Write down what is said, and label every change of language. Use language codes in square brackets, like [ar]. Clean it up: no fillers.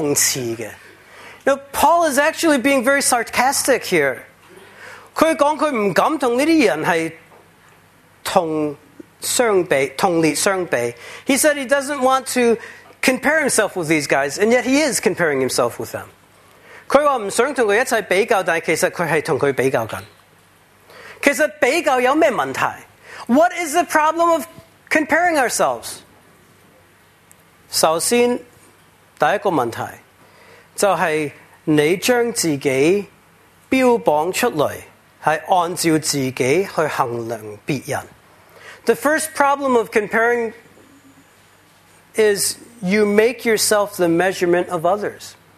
[zh] 其实保罗讲得很讽刺的。 [en] Paul is actually being very sarcastic here. [zh] 他说他不敢跟这些人同列相比。 [en] He said he doesn't want to compare himself with these guys, and yet he is comparing himself with them. [zh] 他说不想跟他一起比较,但其实他是跟他比较的。其实比较有什么问题? [en] What is the problem of comparing ourselves? [zh] 首先,第一个问题, 就是你将自己标榜出来,是按照自己去衡量别人。 [en] The first problem of comparing is you make yourself the measurement of others.